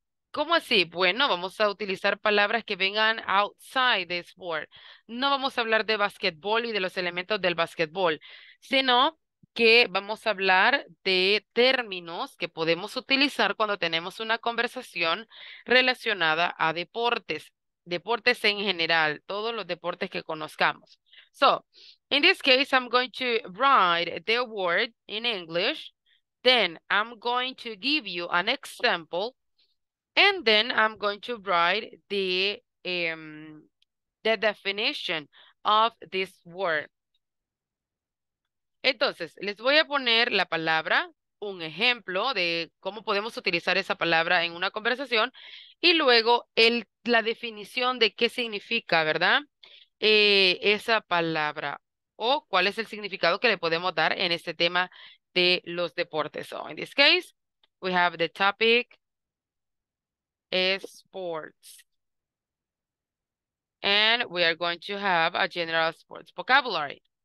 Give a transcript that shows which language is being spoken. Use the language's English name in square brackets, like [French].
[Spanish] ¿Cómo así? Bueno, vamos a utilizar palabras que vengan [English] outside the sport. [Spanish] No vamos a hablar de basquetbol y de los elementos del basquetbol, sino que vamos a hablar de términos que podemos utilizar cuando tenemos una conversación relacionada a deportes, deportes en general, todos los deportes que conozcamos. [English] So, in this case, I'm going to write the word in English, then I'm going to give you an example, and then I'm going to write the definition of this word. [Spanish] Entonces, les voy a poner la palabra, un ejemplo de cómo podemos utilizar esa palabra en una conversación, y luego la definición de qué significa, ¿verdad? Esa palabra, o cuál es el significado que le podemos dar en este tema de los deportes. [English] So, in this case, we have the topic sports. And we are going to have a general sports vocabulary.